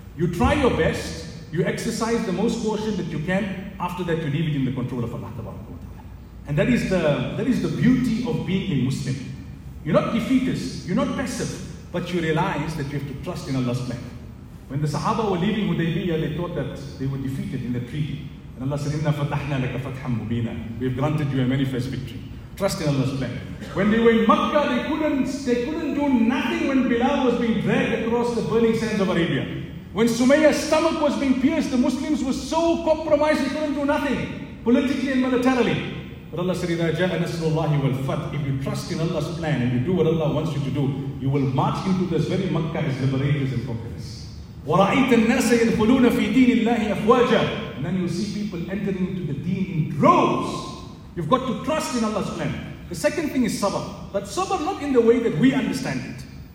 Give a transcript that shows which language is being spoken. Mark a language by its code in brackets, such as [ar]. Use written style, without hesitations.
[en] You try your best, you exercise the most caution that you can, after that you leave it in the control of Allah Tabaraka wa Ta'ala. And that is the beauty of being a Muslim. You're not defeatist, you're not passive, but you realize that you have to trust in Allah's plan. When the Sahaba were leaving Hudaybiyah, they thought that they were defeated in the treaty. [ar] And Allah said, إِنَّا فَتَحْنَا لَكَ فَتْحًا مُبِينًا. [en] We have granted you a manifest victory. Trust in Allah's plan. When they were in Makkah, they couldn't do nothing when Bilal was being dragged across the burning sands of Arabia. When Sumayya's stomach was being pierced, the Muslims were so compromised they couldn't do nothing, politically and militarily. [ar] But Allah said, إِذَا جَاءَ نَسْرُ اللَّهِ وَالْفَتْحِ. [en] If you trust in Allah's plan and you do what Allah wants you to do, you will march into this very Makkah as liberators and conquerors. [ar] وَرَأَيْتَ النَّاسَ يَدْخُلُونَ فِي دِينِ اللَّهِ أَفْوَاجًا. [en] And then you'll see people entering into the deen in droves. You've got to trust in Allah's plan. The second thing is sabr. But sabr not in the way that we understand it.